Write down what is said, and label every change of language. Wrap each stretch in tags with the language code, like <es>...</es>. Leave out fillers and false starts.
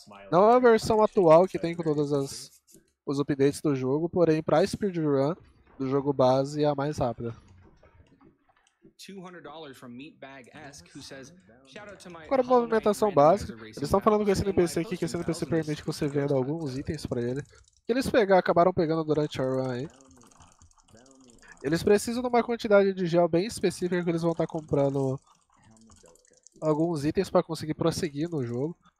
<pt>Não é a versão atual que tem com todos os updates do jogo, porém, pra speedrun do jogo base, é a mais rápida.</pt> <en>$200 from Meatbag Esk, who says, "Shout out to my..."</en> <pt>Agora, movimentação básica. Eles estão falando com esse NPC aqui, que esse NPC permite que você venda alguns itens pra ele. Que eles acabaram pegando durante a run aí. Eles precisam de uma quantidade de gel bem específica que eles vão estar comprando alguns itens pra conseguir prosseguir no jogo.</pt>